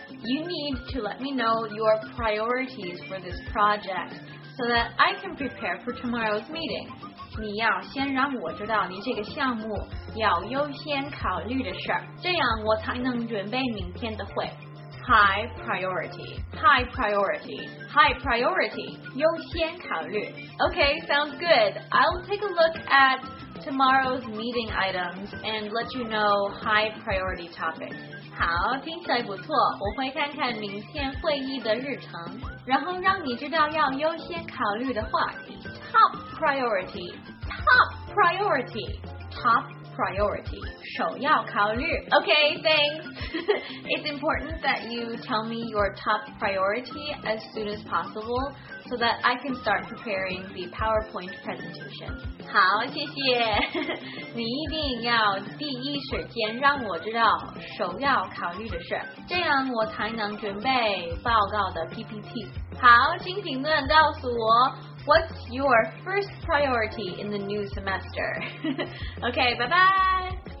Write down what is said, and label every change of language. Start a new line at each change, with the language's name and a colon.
English: You need to let me know your priorities for this project so that I can prepare for tomorrow's meeting.
Chinese: 你要先让我知道你这个项目要优先考虑的事儿，这样我才能准备明天的会。
English: High priority, high priority, high priority, 优先考虑。 Okay, sounds good. I'll take a look at tomorrow's meeting items and let you know high priority topics.
Chinese: 好，听起来不错，我会看看明天会议的日程，然后让你知道要优先考虑的话题。
English: Top priority, top priority, top priority, 首要考虑。 Okay, thanks. It's important that you tell me your top priority as soon as possible so that I can start preparing the PowerPoint presentation.
Chinese: 好，谢谢。你一定要第一时间让我知道首要考虑的事，这样我才能准备报告的 PPT。好，请评论告诉我
English: What's your first priority in the new semester? Okay, bye-bye!